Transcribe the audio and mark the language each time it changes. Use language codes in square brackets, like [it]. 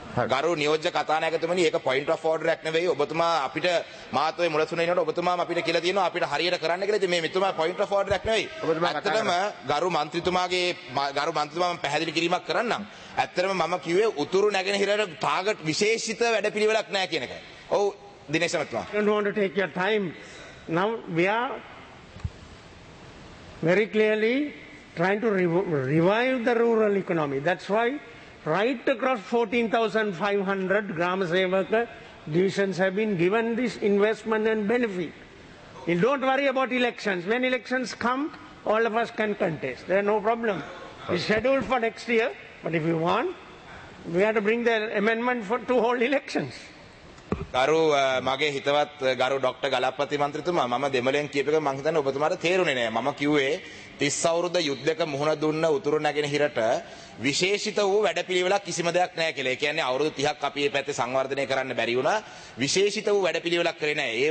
[si] ගරු නියෝජ්‍ය කතානායකතුමනි, ඒක පොයින්ට් ඔෆ් ඕඩර්යක් නෙවෙයි. ඔබතුමා අපිට මාතෘකාවේ මුලසුන ඉන්නකොට ඔබතුමා අපිට කියලා තියෙනවා අපිට හරියට කරන්න කියලා. ඉතින් මේ මෙතුමා පොයින්ට් ඔෆ් ඕඩර්යක් නෙවෙයි. ඇත්තටම ගරු මන්ත්‍රීතුමාම පැහැදිලි කිරීමක් කරන්නම්. ඇත්තටම මම කිව්වේ උතුරු නැගෙනහිරට ටාගට් විශේෂිත වැඩපිළිවෙලක් නැහැ කියන එක. ඔව් දිනේෂ් මහත්මයා. [en] Don't want to take your time. Now we are very clearly trying to revive the rural economy. That's why right across 14,500 Gram Sevak divisions have been given this investment and benefit. You don't worry about elections. When elections come, all of us can contest. There is no problem. It's scheduled for next year, but if you want, we have to bring the amendment for to hold elections. [si] ගරු මගේ හිතවත් ගරු doctor ගලප්පති මන්ත්‍රීතුමා, මම දෙමළෙන් කියපේක මං හිතන්නේ ඔබතුමාට තේරුනේ නෑ. මම කිව්වේ 30 අවුරුද්ද යුද්ධයක මුහුණ දුන්න උතුරු නැගෙනහිරට විශේෂිත වූ වැඩපිළිවෙලක් කිසිම දෙයක් නැහැ කියලා. ඒ කියන්නේ අවුරුදු 30ක් අපි මේ පැත්තේ සංවර්ධනය කරන්න බැරි වුණා. විශේෂිත වූ වැඩපිළිවෙලක් කරේ නැහැ.